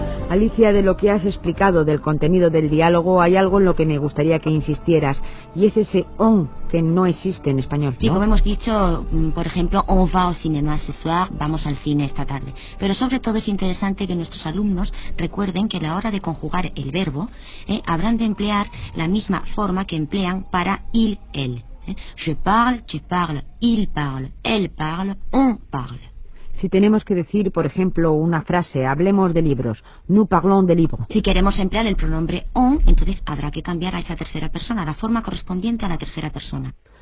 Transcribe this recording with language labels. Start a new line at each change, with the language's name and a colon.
Spanish: Alicia, de lo que has explicado del contenido del diálogo, hay algo en lo que me gustaría que insistieras, y es ese on que no existe en español, ¿no? Sí, como hemos dicho, por ejemplo,
French: on va au cinéma ce soir,
Spanish: vamos al cine esta tarde. Pero sobre todo es interesante que nuestros alumnos recuerden que a la hora de conjugar el verbo, habrán de emplear la misma forma que emplean para il, él.
French: Je parle, tu parles, il parle, elle parle, on parle.
Spanish: Si tenemos que decir, por ejemplo, una frase, hablemos de libros,
French: nous parlons
Spanish: de libros. Si queremos emplear el pronombre on, entonces habrá que cambiar a esa tercera persona, la forma correspondiente a la tercera persona.